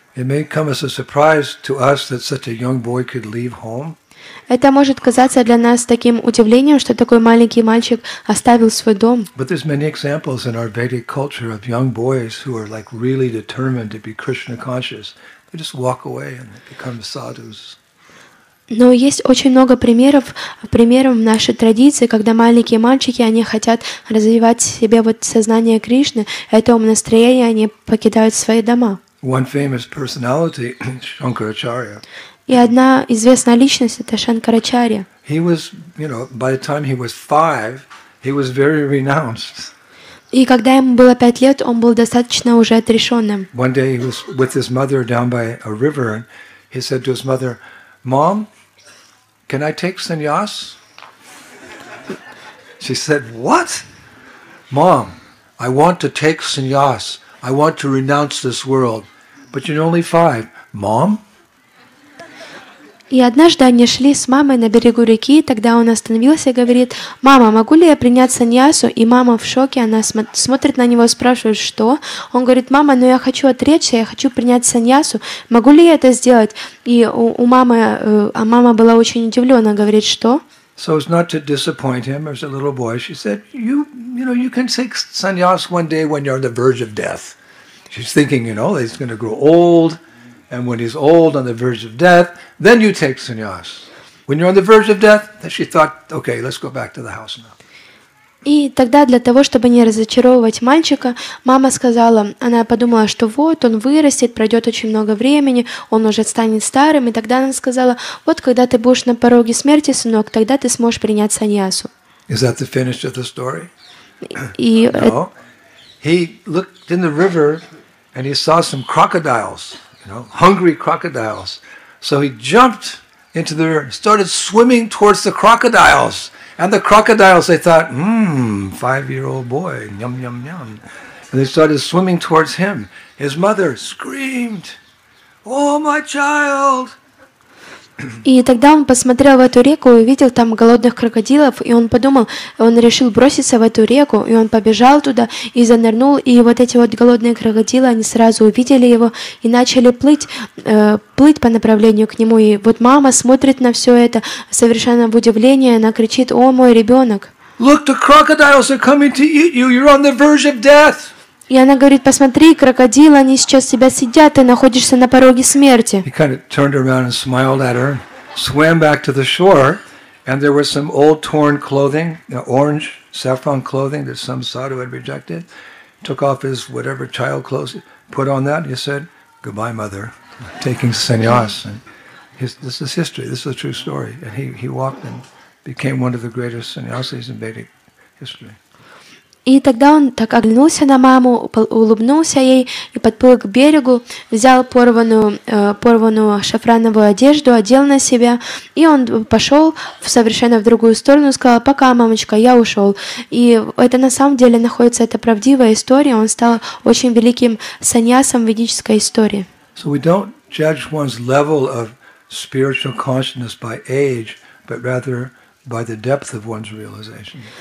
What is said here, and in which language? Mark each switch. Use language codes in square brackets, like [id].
[en] It may come as a surprise to us that such a young boy could leave home. [ru] Это может казаться для нас таким удивлением, что такой маленький мальчик оставил свой дом. [en] But there's many examples in our Vedic culture of young boys who are like really determined to be Krishna conscious. They just walk away and become sadhus. [ru] Но есть очень много примеров в нашей традиции, когда маленькие мальчики, они хотят развивать в себе вот сознание Кришны, этого настроения, они покидают свои дома. [en] One famous personality, Shankaracharya. [ru] И одна известная личность — это Шанкарачарья. [en] He was, you know, by the time he was 5, he was very renounced. [ru] И когда ему было 5 лет, он был достаточно уже отрешенным. [en] One day he was with his mother down by a river, and he said to his mother, "Mom, can I take sannyas?" She said, "What? Mom, I want to take sannyas. I want to renounce this world. But you're only 5, Mom." [ru] И однажды они шли с мамой на берегу реки, тогда он остановился и говорит: «Мама, могу ли я принять саньясу?» И мама в шоке, она смотрит на него и спрашивает: «Что?» Он говорит: «Мама, но я хочу отречься, я хочу принять саньясу, могу ли я это сделать?» И у мамы, а мама была очень удивлена, говорит: «Что?» [en] So as not to disappoint him as a little boy, she said, you know, you can take sannyas one day when you're on the verge of death. She's thinking, you know, he's going to grow old, and when he's old on the verge of death, then you take sannyas. When you're on the verge of death, then she thought, okay, let's go back to the house now. [ru] И тогда для того, чтобы не разочаровывать мальчика, мама сказала, она подумала, что вот он вырастет, пройдет очень много времени, он уже станет старым, и тогда она сказала: вот когда ты будешь на пороге смерти, сынок, тогда ты сможешь принять саньясу. [en] Is that the finish of the story? [ru] И [en] no. He looked in the river and he saw some crocodiles, you know, hungry crocodiles. So he jumped into the river, started swimming towards the crocodiles. And the crocodiles, they thought, 5-year-old boy, yum, yum, yum. And they started swimming towards him. His mother screamed, "Oh, my child!" [ru] И тогда он посмотрел в эту реку и увидел там голодных крокодилов, и он подумал, он решил броситься в эту реку, и он побежал туда и занырнул, и вот эти вот голодные крокодилы, они сразу увидели его и начали плыть по направлению к нему. И вот мама смотрит на все это совершенно в удивлении, она кричит: «О, мой ребенок!» [en] Look, the crocodiles are coming to eat you. You're on the verge of death. [ru] И она говорит: «Посмотри, крокодилы, они сейчас тебя съедят, ты находишься на пороге смерти». [en] He kind of turned around and smiled at her, swam back to the shore, and there was some old torn clothing, you know, orange saffron clothing that some sadhu had rejected. Took off his whatever child clothes, put on that, and he said, "Goodbye, mother," taking sannyas. And this is history. This is a true story. And he walked and became one of the greatest sannyasis in Vedic history. [ru] И тогда он так оглянулся на маму, улыбнулся ей и подплыл к берегу, взял порванную шафрановую одежду, одел на себя, и он пошел совершенно в другую сторону, сказал: «Пока, мамочка, я ушел». И это на самом деле находится, это правдивая история, он стал очень великим саньясом в ведической истории. [en] So we don't judge one's level of spiritual consciousness by age, but rather by the depth of one's realization.